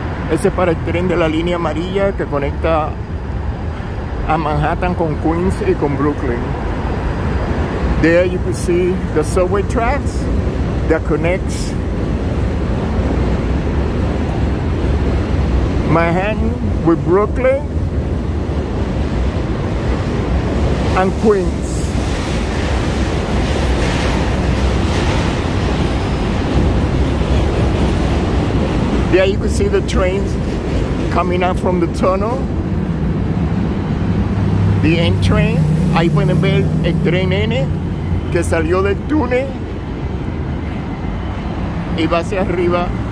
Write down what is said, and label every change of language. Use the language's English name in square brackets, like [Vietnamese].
[Spanish] Ese es para el tren de la línea amarilla que conecta a Manhattan con Queens y con Brooklyn. [English] There you can see the subway tracks that connects Manhattan with Brooklyn and Queens. There you can see the trains coming out from the tunnel. The end train. [Spanish] Ahí pueden ver el tren N que salió del túnel y va hacia arriba.